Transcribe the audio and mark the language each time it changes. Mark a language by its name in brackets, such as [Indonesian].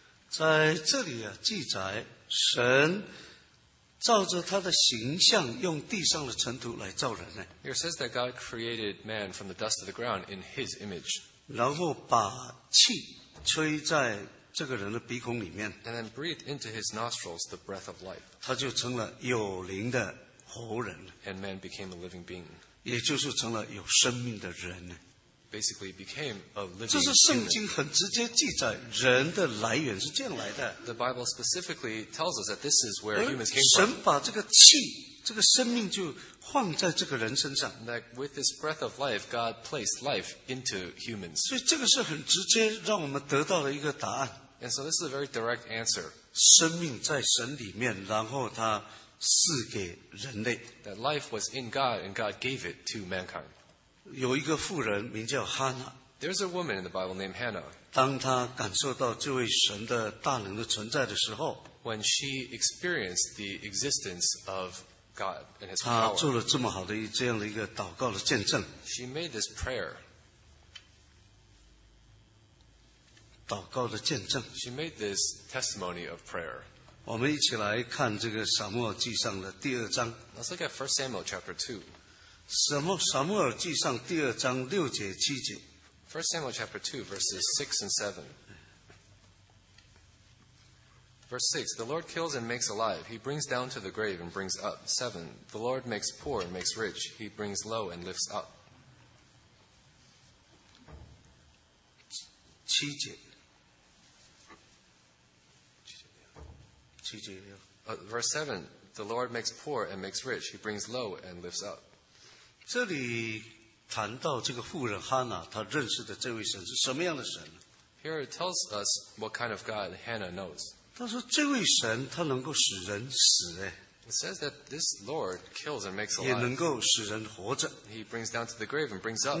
[Chinese] 在这里啊，记载神照着他的形象，用地上的尘土来造人呢。 [English] Here it says that God created man from the dust of the ground in his image. [Chinese] 然后把气吹在这个人的鼻孔里面， [English] and then breathed into his nostrils the breath of life. [Chinese] 他就成了有灵的活人， [English] and man became a living being. [Chinese] 也就是成了有生命的人。 [English] Basically became a living. [Chinese] 这是圣经很直接记载人的来源是这样来的。 [English] The Bible specifically tells us that this is where humans came from. [Chinese] 神把这个气，这个生命就放在这个人身上。 [English] That with this breath of life, God placed life into humans. [Chinese] 所以这个是很直接让我们得到了一个答案。 [English] And so this is a very direct answer. [Chinese] 生命在神里面，然后他赐给人类。 [English] That life was in God, and God gave it to mankind. [Chinese] 有一个妇人名叫 Hannah. [English] There's a woman in the Bible named Hannah. [Chinese] 当她感受到这位神的大能的存在的时候， [English] When she experienced the existence of God and his power, [Chinese] 她做了这么好的这样的一个祷告的见证。 [English] She made this prayer. [Chinese] 祷告的见证。 [English] She made this testimony of prayer. [Chinese] 我们一起来看这个撒母耳记上的第二章。 [English] Let's look at 1 Samuel chapter 2. [Chinese] 撒母耳记上第二章六节七节。 [English] 1 Samuel chapter 2, verses 6 and 7. Verse 6, the Lord kills and makes alive. He brings down to the grave and brings up. 7, the Lord makes poor and makes rich. He brings low and lifts up. [Chinese] 七节。 [English] Verse 7, the Lord makes poor and makes rich. He brings low and lifts up. [Chinese] 这里谈到这个妇人哈娜，她认识的这位神是什么样的神？ [English] Here it tells us what kind of God Hannah knows. [Chinese] 他说这位神他能够使人死耶。 [English] It says that this Lord kills and makes alive. [Chinese] 也能够使人活着。 [English] He brings down to the grave and brings up.